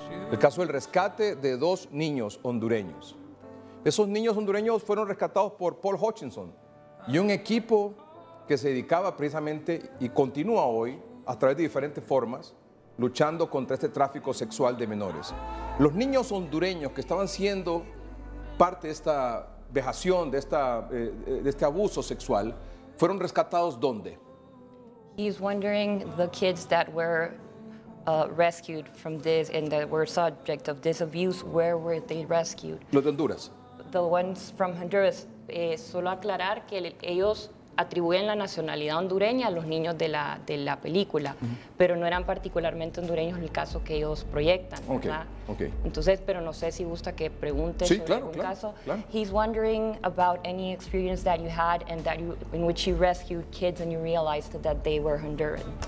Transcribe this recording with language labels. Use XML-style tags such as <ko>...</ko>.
<es>El caso del rescate de dos niños hondureños. Esos niños hondureños fueron rescatados por Paul Hutchinson y un equipo que se dedicaba precisamente y continúa hoy a través de diferentes formas luchando contra este tráfico sexual de menores. Los niños hondureños que estaban siendo parte de esta vejación, de este abuso sexual, fueron rescatados ¿dónde?</es> <en>He's wondering the kids that were rescued from this and that were subject of this abuse, where were they rescued?</en> <es>Los de Honduras.</es> <en>The ones from Honduras.</en> <es>Solo aclarar que ellos atribuyen la nacionalidad hondureña a los niños de la película, uh-huh. Pero no eran particularmente hondureños el caso que ellos proyectan,</es> <en>okay,</en> <es>¿verdad?</es> <en>Okay.</en> <es>Entonces, pero no sé si gusta que pregunte, sí, sobre, claro, algún, claro, caso. Claro.</es> <en>He's wondering about any experience that you had and that you, in which you rescued kids and you realized that they were Honduran.</en>